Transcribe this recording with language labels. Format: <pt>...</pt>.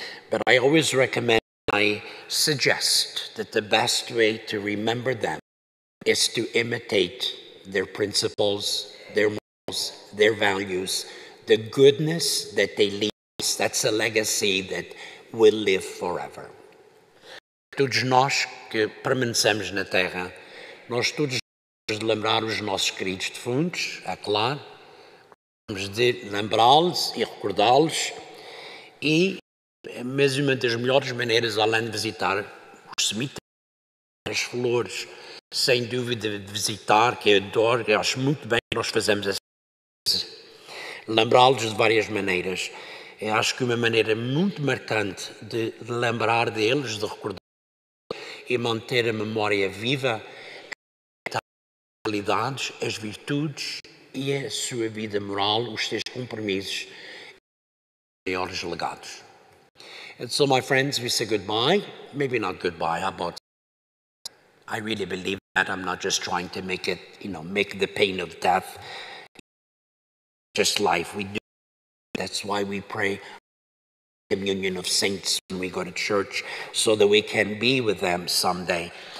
<en>But I always recommend, I suggest that the best way to remember them is to imitate their principles, their morals, their values, the goodness that they leave. That's a legacy that will live forever.</en> <pt>Todos nós que permanecemos na Terra, nós todos temos de lembrar os nossos queridos defuntos, é claro, temos de lembrá-los e recordá-los, e mesmo uma das melhores maneiras, além de visitar os cemitérios, as flores, sem dúvida de visitar, que eu adoro, que eu acho muito bem que nós fazemos essa, lembrá-los de várias maneiras. Eu acho que uma maneira muito marcante de lembrar deles, de recordar e manter a memória viva, é as qualidades, as virtudes e a sua vida moral, os seus compromissos e os maiores legados.</pt> <en>And so, my friends, we say goodbye. Maybe not goodbye, how about I really believe that. I'm not just trying to make it, you know, make the pain of death just life. We do. That's why we pray communion of saints when we go to church, so that we can be with them someday.</en>